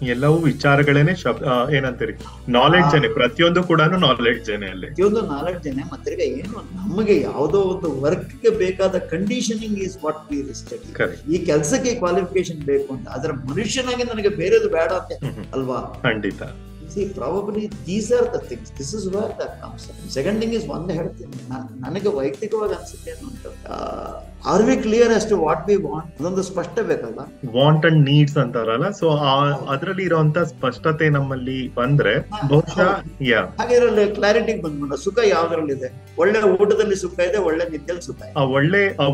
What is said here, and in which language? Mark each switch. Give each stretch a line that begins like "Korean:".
Kannada: ಎಲ್ಲವೂ ವಿಚಾರಗಳೇನೆ, ಶಬ್ದ ಏನಂತೀರಿ, ನಾಲೆಡ್ಜ್ ಏನೇ, ಪ್ರತಿಯೊಂದು ಕೂಡ ನಾಲೆಡ್ಜ್ ಏನೇ, ಅಲ್ಲಿ ಪ್ರತಿಯೊಂದು ನಾಲೆಡ್ಜ್ ಏನೇ. ಮತ್ತೆ ಏನು, ನಮಗೆ ಯಾವುದೋ ಒಂದು ವರ್ಕ್ ಗೆ ಬೇಕಾದ ಕಂಡೀಷನಿಂಗ್
English: Is what we restudy.
Kannada: ಈ ಕೆಲಸಕ್ಕೆ ಕ್ವಾಲಿಫಿಕೇಶನ್ ಬೇಕು ಅಂತ, ಆದ್ರೆ ಮನುಷ್ಯನಾಗಿ ನನಗೆ ಬೇರೆದು ಬೇಡ ಅಂತ ಅಲ್ವಾ? ಖಂಡಿತ.
English: See, probably these are the things. This is where that comes from. Second thing is, one head thing.
Kannada: ನನಗೆ ವೈಯಕ್ತಿಕವಾಗಿ ಅನ್ಸುತ್ತೆ ಅನ್ನೋದು,
English: are we clear as to what we want,
Kannada: ಅದೊಂದು ಸ್ಪಷ್ಟ ಬೇಕಲ್ಲ. ವಾಂಟ್ ಅಂಡ್ ನೀಡ್ಸ್ ಅಂತಾರಲ್ಲ, ಸೊ ಅದರಲ್ಲಿ ಇರುವಂತ ಸ್ಪಷ್ಟತೆ ನಮ್ಮಲ್ಲಿ ಬಂದ್ರೆ ಹಾಗೆ ಕ್ಲಾರಿಟಿ ಬಂದ್ಬಿಡ. ಸುಖ ಯಾವ್ದ್ರಲ್ಲಿ ಇದೆ? ಒಳ್ಳೆ ಊಟದಲ್ಲಿ ಸುಖ ಇದೆ, ಒಳ್ಳೆ ನಿದ್ದೆಯಲ್ಲಿ ಸುಖ ಇದೆ.